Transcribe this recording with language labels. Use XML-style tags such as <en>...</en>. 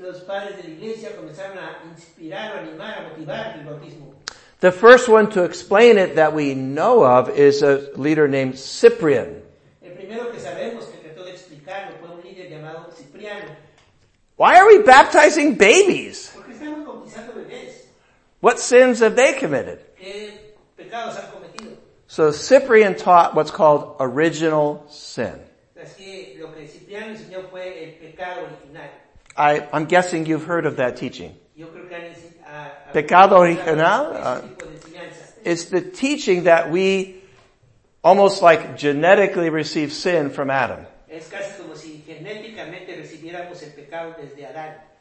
<es>Los padres de la iglesia comenzaron a inspirar, animar, a motivar el bautismo.</es> <en>The first one to explain it that we know of is a leader named Cyprian.</en> <es>El primero que sabemos que trató de explicarlo fue un líder llamado Cipriano.</es> <en>Why are we baptizing babies?</en> <es>Porque estamos bautizando bebés.</es> <en>What sins have they committed?</en> <es>¿Qué pecados han cometido?</es> <en>So Cyprian taught what's called original sin.</en> <es>Así que lo que Cipriano enseñó fue el pecado original.</es> <en>I'm guessing you've heard of that teaching.</en> <es>Yo creo que han pecado original,</es> <en>it's the teaching that we almost like genetically receive sin from Adam.</en> <es>Es casi como si genéticamente recibiéramos el pecado desde Adán.</es>